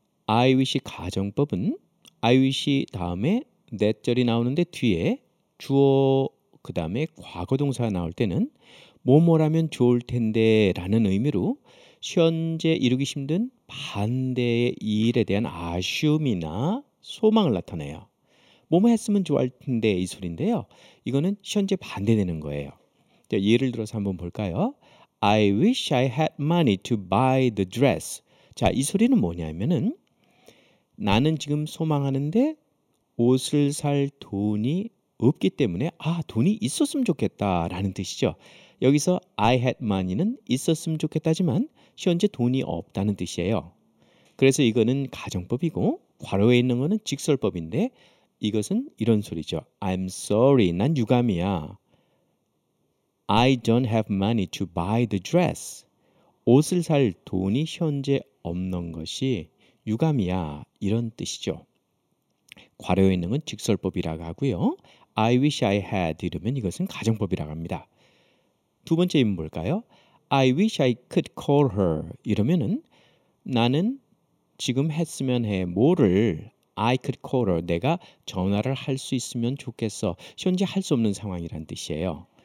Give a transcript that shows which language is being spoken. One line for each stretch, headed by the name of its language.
Korean: I wish 가정법은 I wish 다음에 that절이 나오는데 뒤에 주어 그 다음에 과거동사가 나올 때는 뭐뭐라면 좋을 텐데 라는 의미로 현재 이루기 힘든 반대의 일에 대한 아쉬움이나 소망을 나타내요. 뭐뭐 했으면 좋을 텐데 이 소리인데요. 이거는 현재 반대되는 거예요. 자, 예를 들어서 한번 볼까요?
English: I wish I had money to buy the dress.
Korean: 자, 이 소리는 뭐냐면은 나는 지금 소망하는데 옷을 살 돈이 없기 때문에 아 돈이 있었으면 좋겠다라는 뜻이죠. 여기서
English: I had money
Korean: 는 있었으면 좋겠다지만 현재 돈이 없다는 뜻이에요. 그래서 이거는 가정법이고 괄호에 있는 거는 직설법인데 이것은 이런 소리죠.
English: I'm sorry.
Korean: 난 유감이야.
English: I don't have money to buy the dress.
Korean: 옷을 살 돈이 현재 없는 것이 유감이야. 이런 뜻이죠. 괄호에 있는 건 직설법이라고 하고요.
English: I wish I had
Korean: 이러면 이것은 가정법이라고 합니다. 두 번째 예문 볼까요?
English: I wish I could call her
Korean: 이러면은 나는 지금 했으면 해 뭐를
English: I could call her
Korean: 내가 전화를 할 수 있으면 좋겠어 현재 할 수 없는 상황이란 뜻이에요.